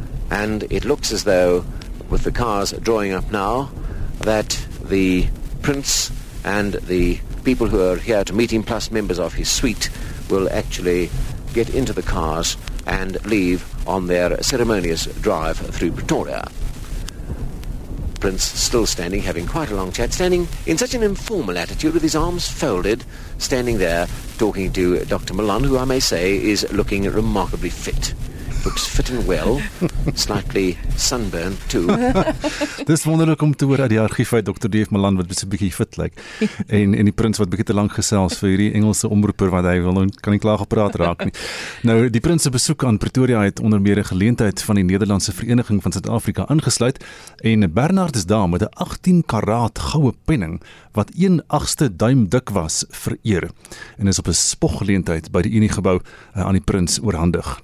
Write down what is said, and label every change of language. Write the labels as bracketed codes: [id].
[en] And it looks as though, with the cars drawing up now, that the Prince and the people who are here to meet him, plus members of his suite, will actually get into the cars and leave on their ceremonious drive through Pretoria. Prince still standing, having quite a long chat, standing in such an informal attitude with his arms folded, standing there talking to Dr. Milan, who I may say is looking remarkably fit. Looks fit and well, slightly sunburned too. [af] Dis wonderlik om te hoor uit die argief uit Dr. Dave Milan wat so 'n bietjie fit lyk. En die prins wat bietjie te lank gesels vir hierdie Engelse omroeper wat hy wil kan nie klaar gepraat raak nie. Nou die prins se besoek aan Pretoria het onder meer 'n geleentheid van die Nederlandse Vereniging van Suid-Afrika ingesluit en Bernard is daar met 'n 18 karaat goue penning wat 1/8 duim dik was vereer en is op 'n spoggeleentheid by die Uniegebou aan die prins oorhandig.